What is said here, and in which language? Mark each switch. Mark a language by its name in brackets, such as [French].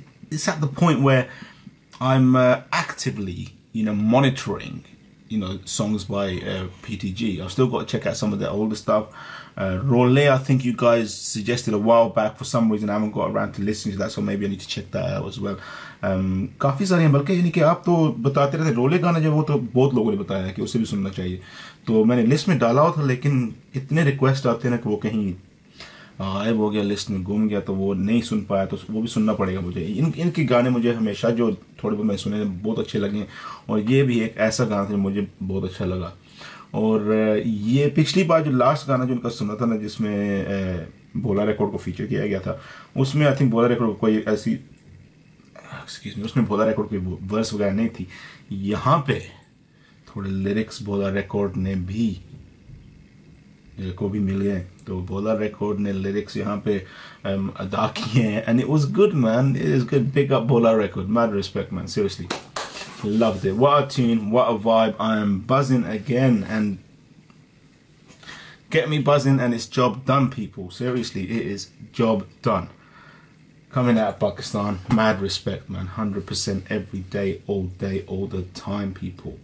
[English] It's at the point where I'm actively, you know, monitoring, you know, songs by PTG. I've still got to check out some of the older stuff. Role, I think you guys suggested a while back. For some reason, I haven't got around to listening to that, so maybe I need to check that out as well. [Hindi] काफी सारे हैं बल्कि यानी कि आप तो बताते रहते रोले गाना जो वो तो बहुत लोगों ने बताया कि उसे भी सुनना चाहिए तो मैंने लिस्ट में डाला हुआ था लेकिन इतने रिक्वेस्ट आते ना कि वो कहीं गायब हो गया लिस्ट में गुम गया तो वो नहीं सुन पाया तो वो भी सुनना पड़ेगा मुझे इनके गाने मुझे हमेशा जो थोड़े बहुत मैंने सुने बहुत अच्छे लगे और ये भी एक ऐसा गाना था जो मुझे बहुत अच्छा लगा और ये पिछली बार जो लास्ट गाना जो इनका सुना था ना जिसमें भोला रिकॉर्ड को फीचर किया गया था उसमें [English] I think [Hindi] भोला रिकॉर्ड कोई ऐसी एक्सक्यूज मी उसमें भोला रिकॉर्ड कोई वर्स वगैरह नहीं थी यहाँ पे थोड़े लिरिक्स भोला रिकॉर्ड ने भी को भी मिल गए तो भोला रिकॉर्ड ने लिरिक्स यहाँ पे अदा किए हैं [English] And it was good man it is good pick up Bhola record mad respect man seriously Loved it. What a tune, what a vibe. I am buzzing again and get me buzzing and it's job done, people. Seriously, it is job done. Coming out of Pakistan, mad respect, man. 100% every day, all the time, people.